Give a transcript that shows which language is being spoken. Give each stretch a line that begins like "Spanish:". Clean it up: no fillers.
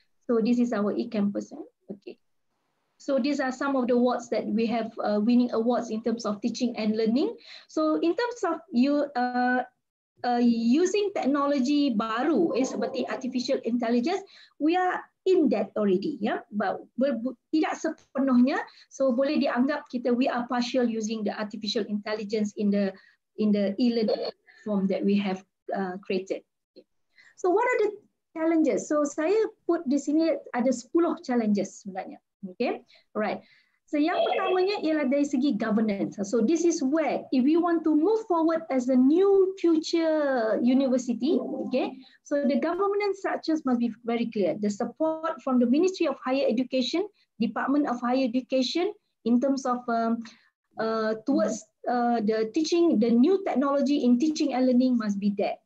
English: So this is our eCampus. Okay. So these are some of the awards that we have winning awards in terms of teaching and learning. So in terms of you using technology
Malay: baru,
English: seperti artificial intelligence, we are in that already. Yeah, but
Malay: tidak sepenuhnya. So boleh dianggap kita
English: we are partial using the artificial intelligence in the e-learning platform that we have created. So what are the challenges? So saya put
Malay: di sini ada
English: 10 challenges
Malay: sebenarnya.
English: Okay, right.
Malay: So yang pertamanya ialah dari segi governance.
English: So this is where if we want to move forward as a new future university, okay, so the governance structures must be very clear. The support from the Ministry of Higher Education, Department of Higher Education, in terms of towards the teaching, the new technology in teaching and learning must be there.